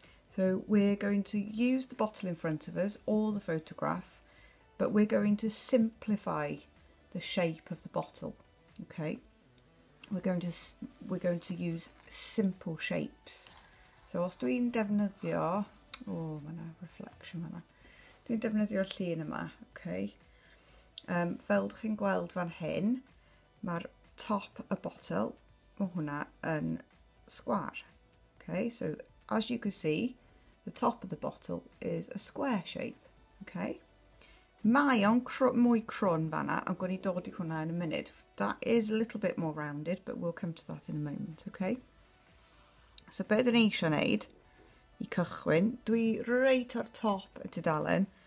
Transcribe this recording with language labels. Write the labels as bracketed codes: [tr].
[en] So we're going to use the bottle in front of us, or the photograph, but we're going to simplify the shape of the bottle. Okay. We're going to use simple shapes. [cy] So os dwi'n defnyddio, mae yna reflection yma. Dwi'n defnyddio'r llun yma, okay. Fel dych chi'n gweld fan hyn, mae'r top y botel, mae hwnna yn square. [en] Okay, so as you can see, the top of the bottle is a square shape. Okay. [cy] Mae o'n mwy crwn fanna, [en] I'm going to [cy] dod I hwnna [en] in a minute. That is a little bit more rounded, but we'll come to that in a moment, okay? [cy] So be dyn ni eisiau wneud I cychwyn, dwi reit ar top y tudalen.